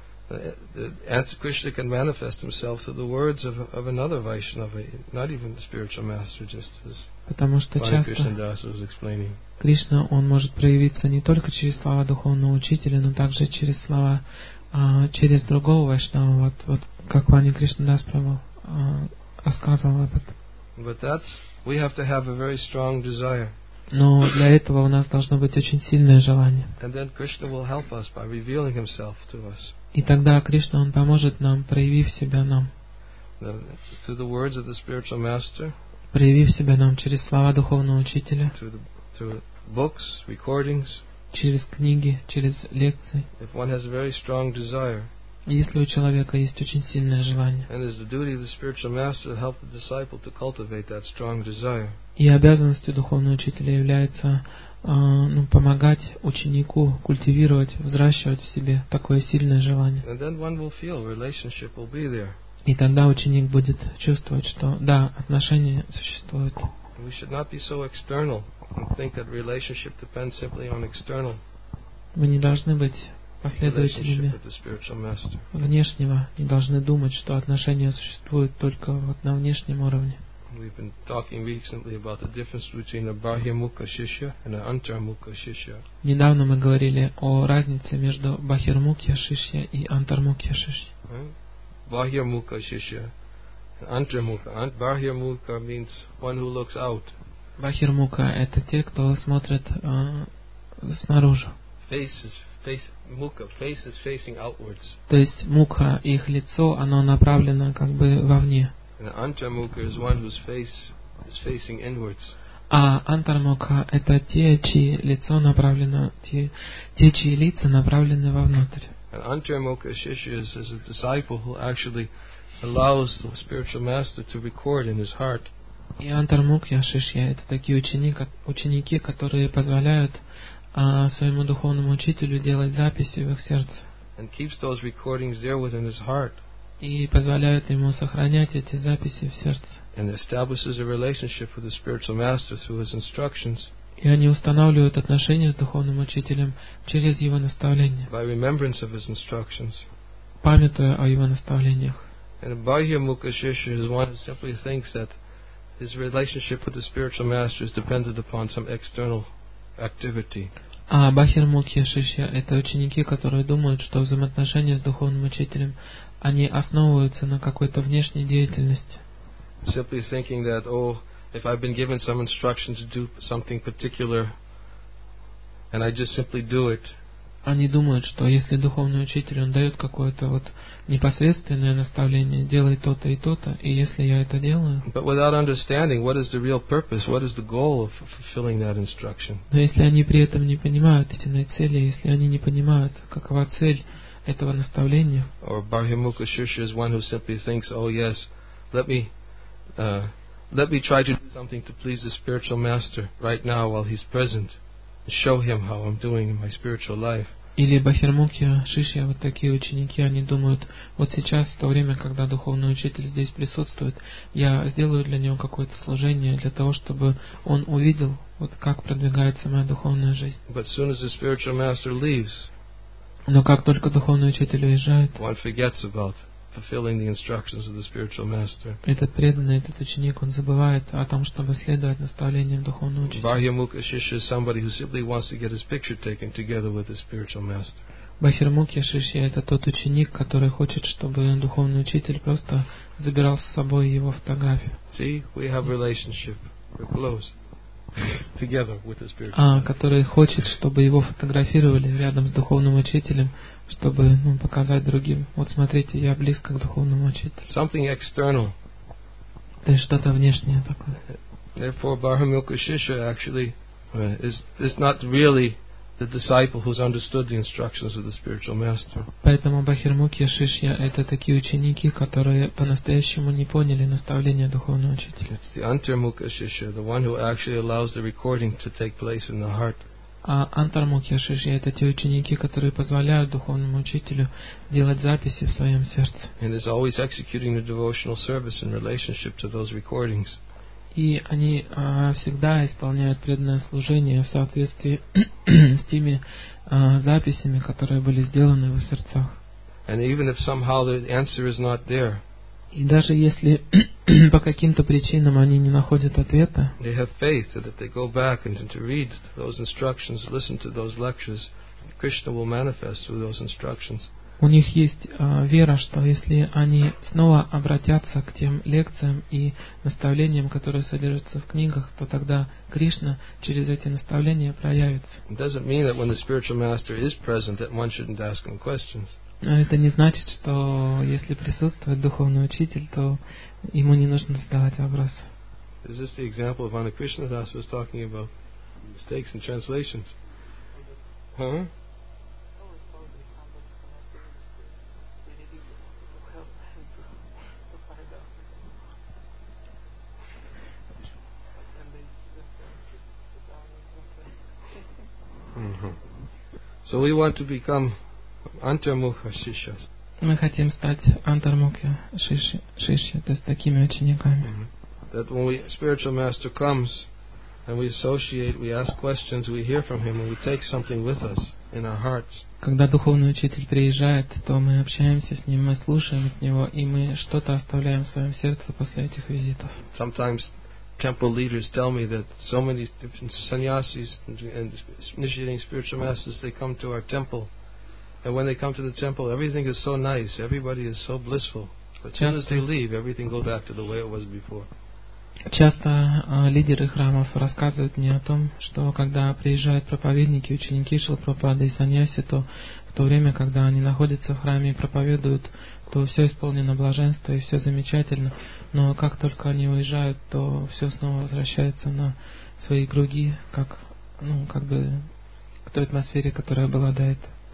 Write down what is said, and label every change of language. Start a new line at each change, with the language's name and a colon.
English: The answer Krishna can manifest himself through the words of another Vaishnava, not even the spiritual master, just as Krishna Das was explaining.
Russian: Кришна, он может проявиться не только через слова духовного учителя, но также через слова через другого вайшнава, вот как Ваня Кришна Дас рассказывал об этом.
English: But that's we have to have a very strong desire.
Russian: Но для этого у нас должно быть очень сильное желание.
English: And then Krishna will help us by revealing himself to us.
Russian: И тогда Кришна, Он поможет нам, проявив себя нам.
English: Through the words of the spiritual master,
Russian: проявив себя нам через слова духовного учителя,
English: through books, recordings,
Russian: через книги, через лекции.
English: If one has a very strong desire,
Russian: если у человека есть очень сильное желание,
English: and it's the duty of the spiritual master to help the disciple to cultivate that strong desire.
Russian: И обязанностью духовного учителя является помогать ученику культивировать, взращивать в себе такое сильное желание.
English: And then one will feel relationship will be there.
Russian: И тогда ученик будет чувствовать, что да, отношения существуют.
English: We should not be so external and think that relationship depends simply on external.
Russian: Мы не должны быть последователями внешнего и должны думать, что отношения существуют только вот на внешнем уровне.
English: We've been talking recently about the difference between a Bahirmukha Shishya and an Antarmukha Shishya.
Russian: Недавно мы говорили о разнице между Бахирмукха Шишья и Антармукха Шишья.
English: Bahirmukha Shishya and Antarmukha. Bahirmukha means one who looks out.
Russian: Bahirmukha – это те, кто смотрит снаружи.
English: Face is facing outwards.
Russian: То есть мукха, их лицо, оно направлено как бы вовне.
English: And antarmukha is one whose face is facing inwards.
Russian: А антармукха это те, чьи лицо направлено, те чьи лица направлены вовнутрь.
English: And antarmukha shishya is a disciple who actually allows the spiritual master to record in his heart.
Russian: И антармукха шишья это такие ученики, которые позволяют своему духовному учителю делать записи в их сердце.
English: And keeps those recordings there within his heart.
Russian: И позволяют ему сохранять эти записи в сердце.
English: And establishes a relationship with the spiritual master through his instructions.
Russian: И они устанавливают отношения с духовным учителем через его наставления.
English: By remembrance of his instructions.
Russian: Памятуя о его наставлениях.
English: And Bahirmukha Shishya is one who simply thinks that his relationship with the spiritual master is dependent upon some external activity.
Russian: А Бахирмукха Шишья – это ученики, которые думают, что взаимоотношения с духовным учителем они основываются на какой-то внешней деятельности.
English: Simply thinking that, oh, if I've been given some instruction to do something particular, and I just simply do it.
Russian: Они думают, что если духовный учитель он дает какое-то вот непосредственное наставление, делай то-то и то-то, и если я это делаю.
English: But without understanding what is the real purpose, what is the goal of fulfilling that instruction.
Russian: Но если они при этом не понимают истинной цели, если они не понимают, какова цель этого наставления.
English: Or Bahirmukha Shishya is one who simply thinks, oh yes, let me try to do something to please the spiritual master right now while he's present, show him how I'm doing in my spiritual life.
Russian: Или Бахирмукха Шишья вот такие ученики, они думают, вот сейчас в то время, когда духовный учитель здесь присутствует, я сделаю для него какое-то служение для того, чтобы он увидел, вот как продвигается моя духовная жизнь.
English: But soon as the spiritual master leaves.
Russian: Но как только духовный учитель уезжает,
English: one forgets about fulfilling the instructions of the spiritual master.
Russian: Этот преданный, этот ученик, он забывает о том, чтобы следовать наставлениям духовного учителя.
English: Bahirmukha Shishya is somebody who simply wants to get his picture taken together with the spiritual master.
Russian: Bahirmukha Shishya это тот ученик, который хочет, чтобы духовный учитель просто забирал с собой его фотографию.
English: See, we have relationship. We're close. Together with the spiritual.
Russian: Который хочет, чтобы его фотографировали рядом с духовным учителем, чтобы показать другим. Вот смотрите, я близко к духовному учителю.
English: Something external.
Russian: То есть что-то внешнее такое.
English: Therefore, Bahirmukha Shishya actually is not really the disciple who's understood the instructions of the spiritual master.
Russian: Поэтому Бахирмуки и Шишья — это такие ученики, которые по-настоящему не поняли наставления духовного учителя.
English: It's the Antarmukha Shishya, the one who actually allows the recording to take place in the heart.
Russian: А Антармукхи Шишья — это те ученики, которые позволяют духовному учителю делать записи в своем сердце.
English: And is always executing the devotional service in relationship to those recordings.
Russian: И они всегда исполняют преданное служение в соответствии с теми записями, которые были сделаны в их сердцах.
English: And even if somehow the answer is not there,
Russian: и даже если по каким-то причинам они не находят ответа,
English: they have faith that if they go back and to read those instructions, listen to those lectures, Krishna will manifest through those instructions.
Russian: У них есть вера, что если они снова обратятся к тем лекциям и наставлениям, которые содержатся в книгах, то тогда Кришна через эти наставления проявится.
English: It doesn't mean that when the spiritual master is present, that one shouldn't ask him questions.
Russian: Но это не значит, что если присутствует духовный учитель, то ему не нужно задавать вопросы.
English: Is this the example of Anna Krishna Das was talking about mistakes in translations? Huh? So we want to become Antarmukha Shishyas.
Russian: Мы хотим стать Антармукха Шишья, то есть такими учениками.
English: That when we spiritual master comes and we associate, we ask questions, we hear from him and we take something with us in our hearts.
Russian: Когда духовный учитель приезжает, то мы общаемся с ним, мы слушаем от него и мы что-то оставляем в своем сердце после этих визитов.
English: Sometimes temple leaders tell me that so many different sannyasis and initiating spiritual masters, they come to our temple, and when they come to the temple, everything is so nice, everybody is so blissful, but as soon as they leave, everything goes back to the way it was before.
Russian: Часто лидеры храмов рассказывают мне о том, что когда приезжают проповедники, ученики Шрилы Прабхупады и саньяси, то в то время, когда они находятся в храме и проповедуют, то все исполнено блаженство и все замечательно, но как только они уезжают, то все снова возвращается на свои круги, как, ну, как бы к той атмосфере, которая была до этого.